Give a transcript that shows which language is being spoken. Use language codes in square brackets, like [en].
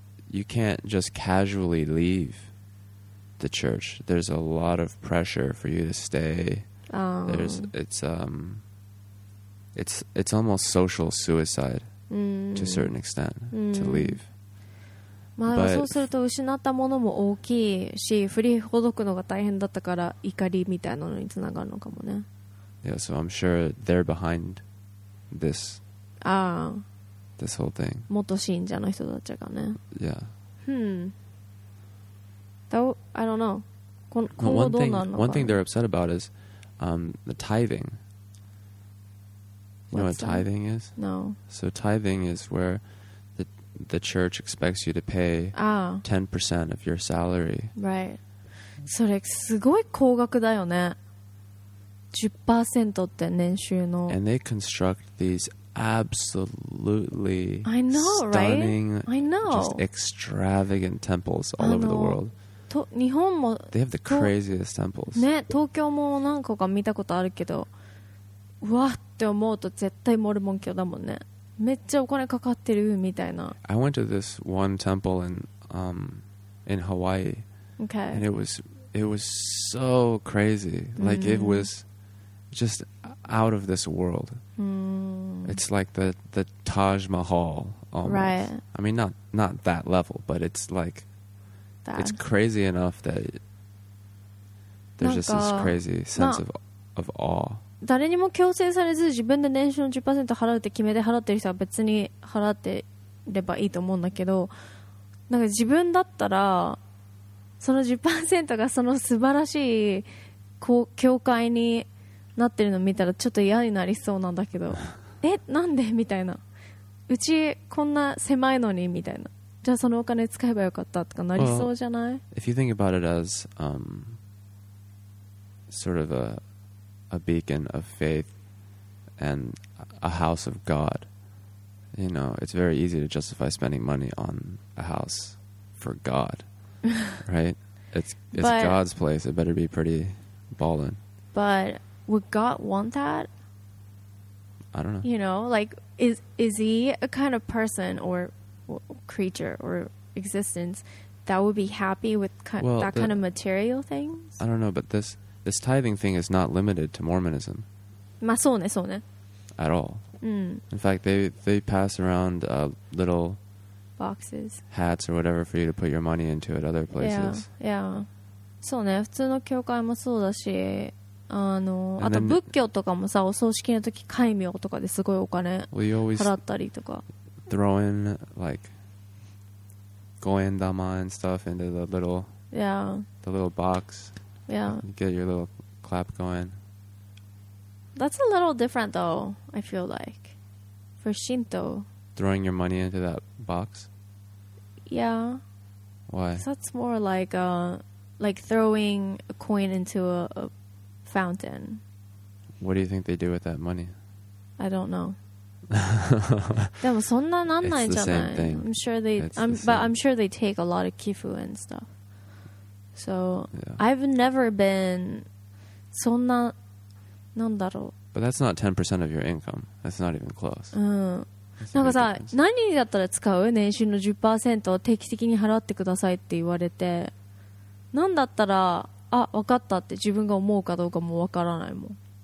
[en] You can't just casually leave. The church. There's a lot of pressure for you to stay. It's almost social suicide to a certain extent to leave. [ja] まあ、 [en] But、 [ja] そうすると失ったものも大きいし、振りほどくのが大変だったから怒りみたいなのにつながるのかもね。 [en] Yeah, so I'm sure they're behind this. This whole thing. [ja] 元信者の人たちがね。 [en] Yeah. I don't know. One thing they're upset about is the tithing. You know what tithing is? No. So tithing is where the church expects you to pay 10% of your salary. Right. [ja] それすごい高額だよね。 10%って年収の。 [en] And they construct these absolutely stunning, just extravagant temples all over the world. [ja] 日本も [en] They have the craziest temples. [ja] ね、東京も何個か見たことあるけど、うわって思うと絶対モルモン教だもんね。めっちゃお金かかってるみたいな。 [en] I went to this one temple in Hawaii. Okay. And it was so crazy. Like it was just out of this world. It's like the Taj Mahal almost. Right. I mean, not that level, but it's like. It's crazy enough that there's just this crazy sense of awe. [ja] 誰にも強制されず自分で年収の 10% 払うって決めて払ってる人は別に払ってればいいと思うんだけど、なんか自分だったらその 10% がその素晴らしい教会になってるの見たらちょっと嫌になりそうなんだけど、え、なんでみたいな。うちこんな狭いのにみたいな。じゃあそのお金使えばよかったとかなりそうじゃない [en] If you think about it as sort of a beacon of faith and a house of God, you know, it's very easy to justify spending money on a house for God, right? It's but, God's place. It better be pretty ballin'. But would God want that? I don't know. You know, like, is he a kind of person orcreature or existence that would be happy with that kind of material things? I don't know, but this tithing thing is not limited to Mormonism. [ja] まあそうね、そうね。 [en] At all. In fact, they pass around little boxes, hats or whatever for you to put your money into at other places. Yeah. [ja] そうね、普通の教会もそうだし、あと仏教とかもさ、お葬式の時、戒名とかですごいお金払ったりとか。 [en] Throwing like goendama and stuff into the little the little box get your little clap going. That's a little different though, I feel like, for Shinto. Throwing your money into that box? Yeah. Why? That's more like throwing a coin into a fountain. What do you think they do with that money? I don't know. [ja] でもそんななんないじゃない。 [en] It's the same thing. I'm sure they, I'm sure they take a lot of kifu and stuff. So yeah. I've never been [ja] そんななんだろう。 [en] But that's not 10% of your income. That's not even close. [ja] うん。なんかさ、何だったら使う？年収の 10% を定期的に払ってくださいって言われて、何だったら、あ、分かったって自分が思うかどうかも分からないもん。